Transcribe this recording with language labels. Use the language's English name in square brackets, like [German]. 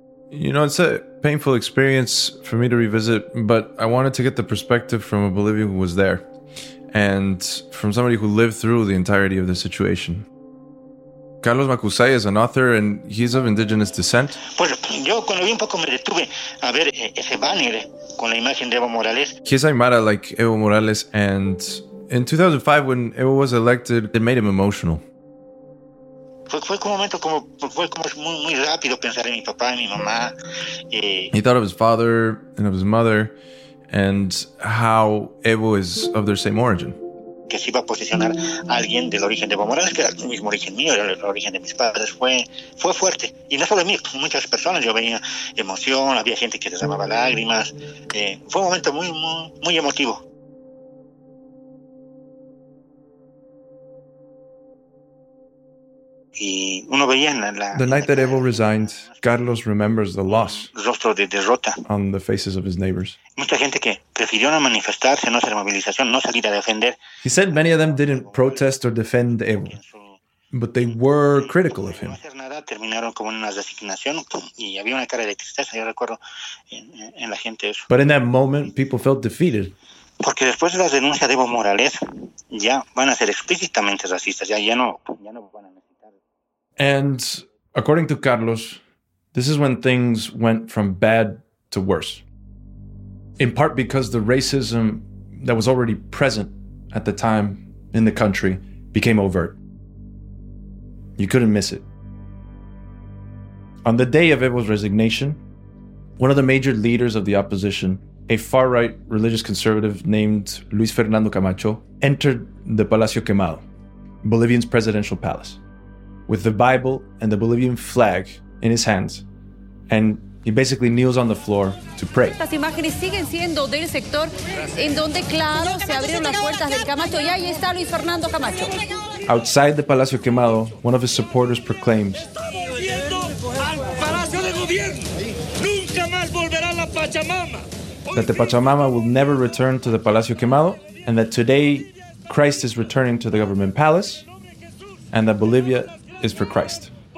[English] You know, it's a painful experience for me to revisit, but I wanted to get the perspective from a Bolivian who was there and from somebody who lived through the entirety of the situation. Carlos Macusay is an author and he's of indigenous descent. [Spanish] Pues yo cuando vi un poco me detuve a ver ese banner con la imagen de Evo Morales. [English] He's Aymara like Evo Morales, and in 2005 when Evo was elected, it made him emotional. He thought of his father and of his mother and how Evo is of their same origin. [Spanish] Que se iba a posicionar alguien del origen de Evo Morales, que era el mismo origen mío, era el origen de mis padres, fue fuerte. Y no solo mí, muchas personas, yo veía emoción, había gente que derramaba lágrimas. Fue un momento muy, muy, muy emotivo. Y uno veía en la... [English] The night that Evo resigned, Carlos remembers the loss. [Spanish] Rostro de derrota. [English] On the faces of his neighbors. [Spanish] Mucha gente que prefirió no manifestarse, no hacer movilización, no salir a defender. [English] He said many of them didn't protest or defend Evo, but they were critical of him. [Spanish] No hacer nada, terminaron como en una resignación y había una cara de tristeza, yo recuerdo, en la gente eso. [English] But in that moment, people felt defeated. [Spanish] Porque después de las denuncias de Evo Morales, ya van a ser explícitamente racistas, ya no van a... [English] And according to Carlos, this is when things went from bad to worse. In part because the racism that was already present at the time in the country became overt. You couldn't miss it. On the day of Evo's resignation, one of the major leaders of the opposition, a far-right religious conservative named Luis Fernando Camacho, entered the Palacio Quemado, Bolivian's presidential palace, with the Bible and the Bolivian flag in his hands. And he basically kneels on the floor to pray. [Spanish] Las imágenes siguen siendo del sector en donde, claro, se abrieron las puertas del Camacho. Y ahí está Luis Fernando Camacho. [English] Outside the Palacio Quemado, one of his supporters proclaims, [Spanish] "Estamos yendo al Palacio de Gobierno. Nunca más volverá la Pachamama." [English] That the Pachamama will never return to the Palacio Quemado, and that today Christ is returning to the government palace, and that Bolivia is for Christ.